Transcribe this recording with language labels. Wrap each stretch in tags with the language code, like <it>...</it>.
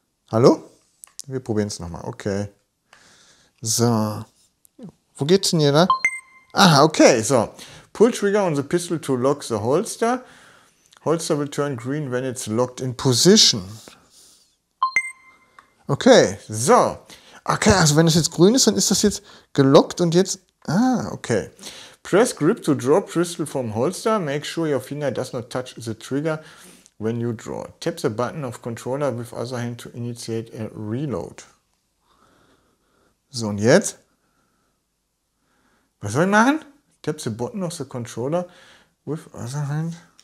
<de>Hallo? Wir probieren es nochmal. Okay. So. Wo geht's denn hier da? Ah, okay, so.</de> <en>Pull trigger on the pistol to lock the holster. Holster will turn green when it's locked in position. Okay, so.</en> <de>Okay, also wenn es jetzt grün ist, dann ist das jetzt gelockt und jetzt...</de> <en>Ah, okay. Press grip to draw pistol from holster. Make sure your finger does not touch the trigger when you draw. Tap the button of controller with other hand to initiate a reload.</en> <de>So, und jetzt... Was soll ich machen?</de> <en>Tap the button of the controller with other hand.</en>